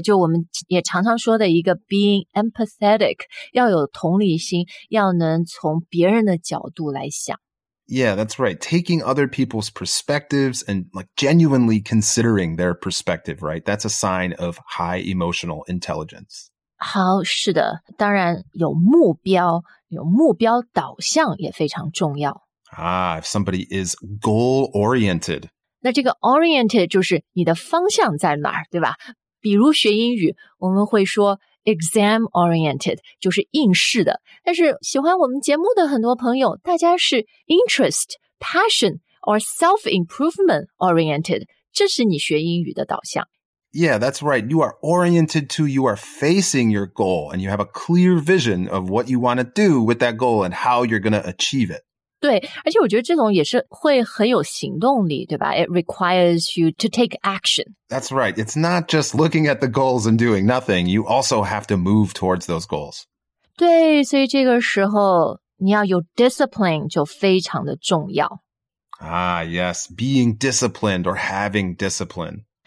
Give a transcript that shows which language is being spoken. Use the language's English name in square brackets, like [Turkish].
[Chinese] 就我们也常常说的一个 [English] being empathetic, [Chinese] 要有同理心，要能从别人的角度来想。 [English] Yeah, that's right. Taking other people's perspectives and like genuinely considering their perspective, right? That's a sign of high emotional intelligence. [Chinese] 好，是的，当然有目标，有目标导向也非常重要。 [English] Ah, if somebody is goal-oriented. [Chinese] 那这个 oriented 就是你的方向在哪儿，对吧？比如学英语，我们会说 exam-oriented, 就是应试的。但是喜欢我们节目的很多朋友，大家是 [English] interest, passion, or self-improvement-oriented, [Chinese] 这是你学英语的导向。 [English] Yeah, that's right. You are oriented to, you are facing your goal, and you have a clear vision of what you want to do with that goal and how you're going to achieve it. [Chinese] 对，而且我觉得这种也是会很有行动力，对吧？ [English] It requires you to take action. That's right. It's not just looking at the goals and doing nothing. You also have to move towards those goals. [Chinese] 对，所以这个时候你要有 discipline 就非常的重要。 [English] Ah, yes. Being disciplined or having discipline.